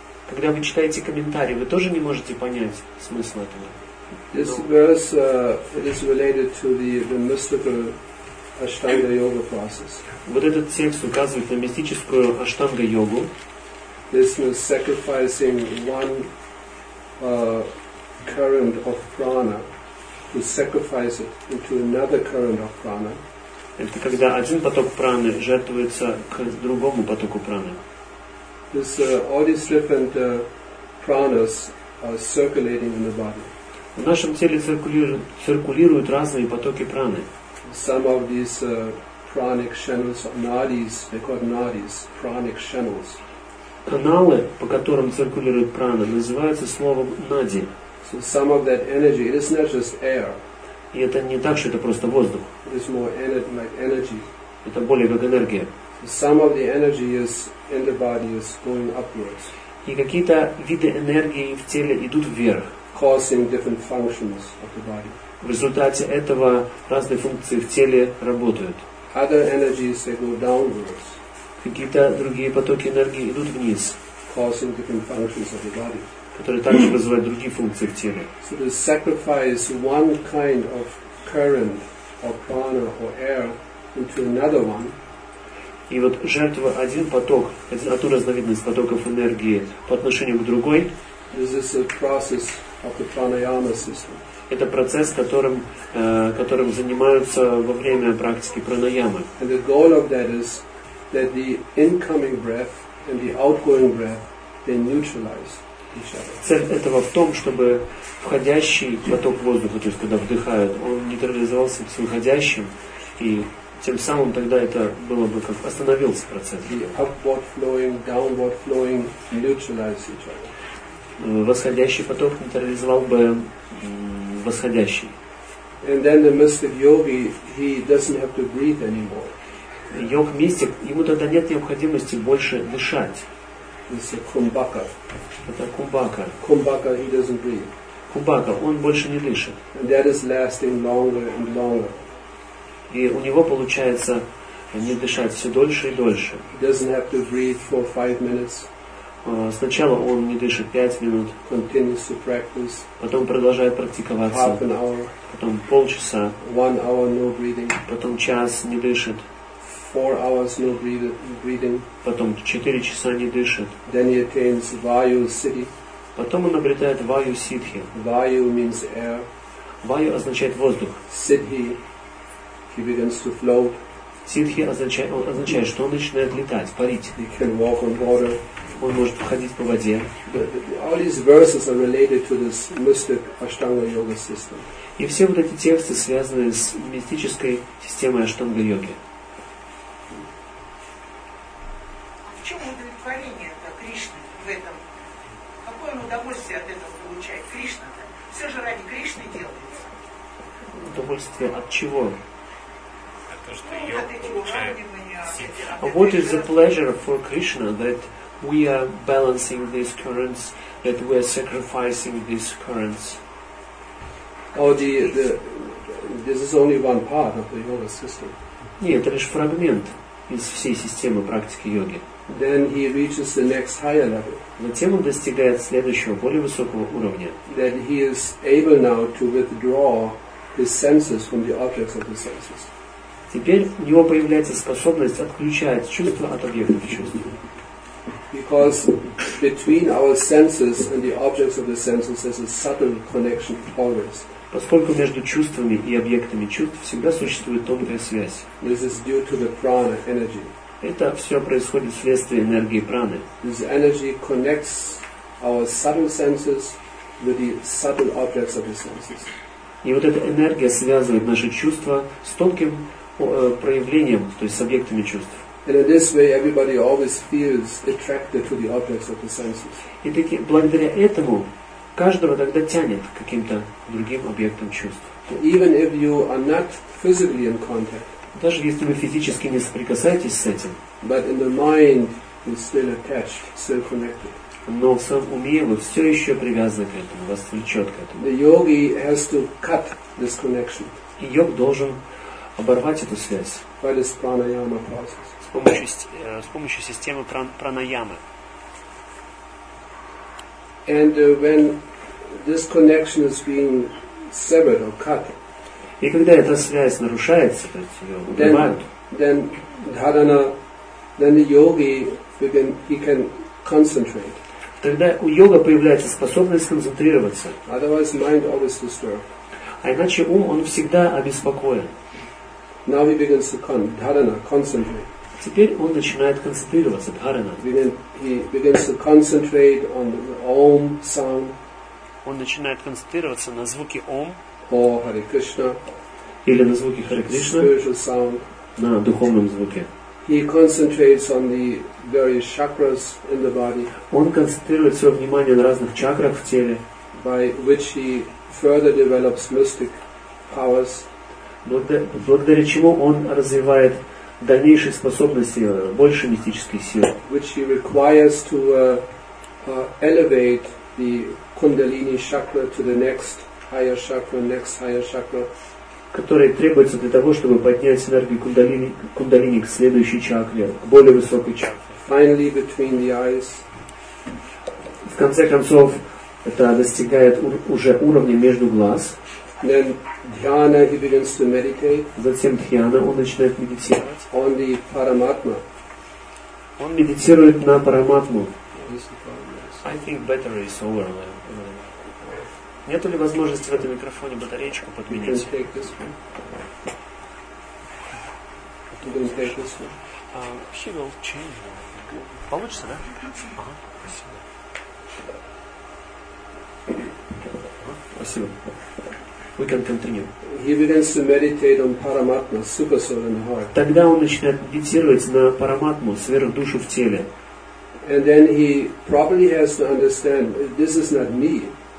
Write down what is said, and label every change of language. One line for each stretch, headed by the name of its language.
Russian: Когда вы читаете комментарии, вы тоже не можете понять смысл этого.
English: This verse is related to the mystical Ashtanga yoga process.
Russian: Вот этот текст указывает на мистическую Ashtanga йогу.
English: This is sacrificing one current of prana to sacrifice it into another current of prana.
Russian: Это когда один поток праны жертвуется к другому потоку праны.
English: This all these different pranas are circulating in the body.
Russian: В нашем теле циркулируют разные потоки праны.
English: Some of these pranic channels, nadis, they call nadis, pranic channels.
Russian: Каналы, по которым циркулирует прана, называются словом нади.
English: So some of that energy, it is not just air.
Russian: И это не так, что это просто воздух.
English: It is more energy, like energy.
Russian: Это более как энергия.
English: Some of the energy is in the body is going upwards.
Russian: И какие-то виды энергии в теле идут вверх.
English: Causing different functions of the body.
Russian: В результате этого разные функции в теле работают.
English: Other energies they go downwards.
Russian: Какие-то другие потоки энергии идут вниз.
English: causing different functions of the body.
Russian: Которые также вызывают другие функции в теле.
English: So the sacrifice one kind of current or prana or air into another one.
Russian: И вот жертва один поток, одну разновидность потоков энергии по отношению к другой.
English: This is a process of the pranayama system.
Russian: Это процесс, которым занимаются во время практики пранаямы.
English: And the goal of that is that the incoming breath and the outgoing breath they neutralize each other.
Russian: Цель этого в том, чтобы входящий поток воздуха, то есть когда вдыхают, он нейтрализовался с выходящим, и тем самым тогда это было бы как остановился процесс.
English: The upward flowing, downward flowing neutralize each other.
Russian: Восходящий поток нейтрализовал бы восходящий.
English: And then the mystic yogi, he doesn't have to breathe anymore.
Russian: Йог-мистик, ему тогда нет необходимости больше дышать.
English: It's a kumbhaka.
Russian: Это кумбака.
English: Kumbhaka, he doesn't breathe.
Russian: Кумбака, он больше не дышит.
English: And that is lasting longer and longer.
Russian: И у него получается не дышать все дольше и дольше.
English: He doesn't have to breathe for 5 minutes.
Russian: Сначала он не дышит 5 минут,
English: continues to practice,
Russian: потом продолжает практиковаться,
English: half an hour,
Russian: потом полчаса,
English: one hour no breathing,
Russian: потом час не дышит,
English: 4 hours no breathing,
Russian: потом 4 часа не дышит,
English: then he attains vayu siddhi,
Russian: потом он обретает vayu siddhi.
English: Vayu means air.
Russian: Vayu означает воздух.
English: Siddhi, he begins to float.
Russian: Siddhi означает, что он начинает летать, парить.
English: He can walk on water.
Russian: Он может ходить по воде.
English: All these verses are related to this mystic Ashtanga yoga system.
Russian: И все вот эти тексты связаны с мистической системой Аштанга йоги. А в чем удовлетворение Кришны в этом? Какое он удовольствие от этого получает? Кришна-то все же ради Кришны делается. Удовольствие от чего? То, что ну, от этого уравнивания.
English: What is the pleasure for Krishna that we are balancing these currents, that we are sacrificing these currents. Oh, this is only one part of the yoga system.
Russian: Нет, это лишь фрагмент из всей системы практики йоги.
English: Then he reaches the next higher level.
Russian: Затем он достигает следующего, более высокого уровня.
English: That he is able now to withdraw his senses from the objects of the senses.
Russian: Теперь у него появляется способность отключать чувства от объектов чувств.
English: Because between our senses and the objects of the senses there's a subtle connection always.
Russian: Поскольку между чувствами и объектами чувств всегда существует тонкая связь.
English: This is due to the prana energy.
Russian: Это все происходит вследствие энергии праны.
English: This energy connects our subtle senses with the subtle objects of the senses.
Russian: И вот эта энергия связывает наши чувства с тонким проявлением, то есть с объектами чувств.
English: And in this way, everybody always feels attracted to the objects of the senses.
Russian: И таким, благодаря этому, каждого тогда тянет к каким-то другим объектам чувств.
English: Even if you are not physically in contact.
Russian: Даже если вы физически не соприкасаетесь с этим.
English: But in the mind, you're still attached, still connected.
Russian: Но в своем уме вы все еще привязаны к этому, вас влечет к этому.
English: The yogi has to cut this connection.
Russian: И йог должен оборвать эту связь.
English: By this pranayama process.
Russian: С помощью системы пранаямы.
English: And when this connection is being severed or cut,
Russian: и когда эта связь нарушается, то есть ее убивают,
English: then the yogi he can concentrate.
Russian: Тогда у йога появляется способность концентрироваться.
English: Otherwise mind always disturbed.
Russian: А иначе ум он всегда обеспокоен.
English: Now he begins to concentrate.
Russian: Теперь он начинает концентрироваться, дхарана.
English: He begins to concentrate on the Om sound.
Russian: Он начинает концентрироваться на звуке Om.
English: Or Hare Krishna.
Russian: Или на звуке Hare Krishna.
English: Spiritual sound.
Russian: На духовном звуке.
English: He concentrates on the various chakras in the body.
Russian: Он концентрирует свое внимание на разных чакрах в теле.
English: By which he further develops mystic powers.
Russian: Благодаря чему он развивает дальнейшей способности, больше мистической силы.
English: Which he requires to elevate the kundalini chakra to the next higher chakra,
Russian: который требуется для того, чтобы поднять энергию кундалини к следующей чакре, к более высокой чакре.
English: Finally, between the eyes.
Russian: конце концов это достигает уже уровня между глаз.
English: Then dhyana, he begins to meditate.
Russian: Затем дхьяна, он начинает медитировать.
English: On the Paramatma.
Russian: Он медитирует на Параматму.
English: I think battery is over.
Russian: Нету ли возможности в этом микрофоне батареечку подменить?
English: You can take this one. You can take this one. She will change.
Russian: Получится, да? Ага, спасибо. Спасибо.
English: We can continue. He begins to meditate on Paramatma, Sukha Soul in the heart.
Russian: Тогда он начинает медитировать на Параматму, сверхдушу в теле.
English: And then he probably has to understand, this is not me.